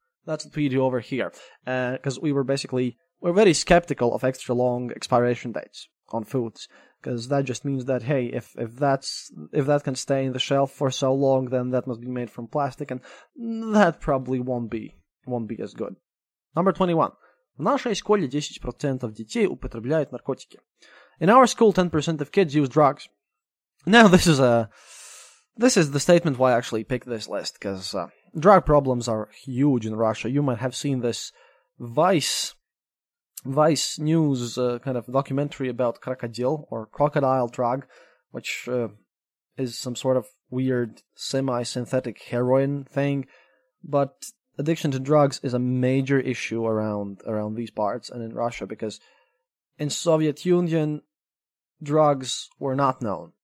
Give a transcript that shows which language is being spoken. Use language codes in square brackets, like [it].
[en] That's what we do over here. Because we're very skeptical of extra long expiration dates on foods. Because that just means that, hey, if that can stay in the shelf for so long, then that must be made from plastic, and that probably won't be as good. Number 21. [ru] В нашей школе 10% детей употребляют наркотики. [en] In our school, 10% of kids use drugs. Now, this is the statement why I actually picked this list, because drug problems are huge in Russia. You might have seen this Vice News kind of documentary about krokodil, or crocodile drug, which is some sort of weird semi-synthetic heroin thing, but addiction to drugs is a major issue around these parts and in Russia, because in Soviet Union, drugs were not known.